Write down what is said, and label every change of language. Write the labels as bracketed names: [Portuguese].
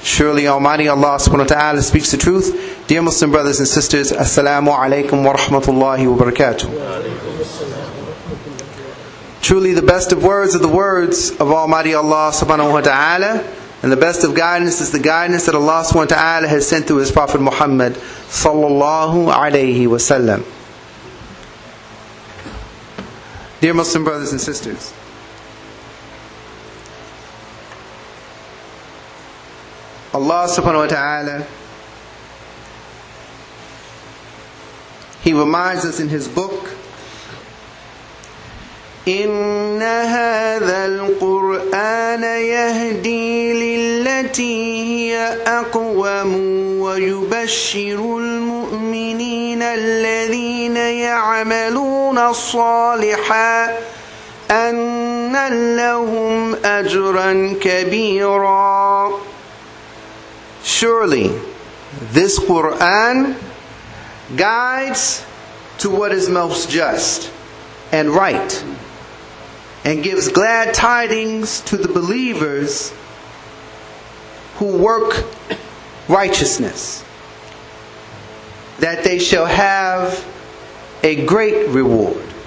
[English] Surely Almighty Allah subhanahu wa ta'ala speaks the truth. Dear Muslim brothers and sisters, assalamu alaikum wa rahmatullahi wa barakatuh. Truly the best of words are the words of Almighty Allah subhanahu wa ta'ala, and the best of guidance is the guidance that Allah subhanahu wa ta'ala has sent through His Prophet Muhammad sallallahu alayhi wa sallam. Dear Muslim brothers and sisters, Allah subhanahu wa ta'ala, He reminds us in His book, [Arabic] إن هذا القرآن يهدي للتي هي أقوم ويبشر المؤمنين الذين يعملون الصالحات أن لهم أجرا كبيرا. [English] Surely this Quran guides to what is most just and right, and gives glad tidings to the believers who work righteousness, that they shall have a great reward.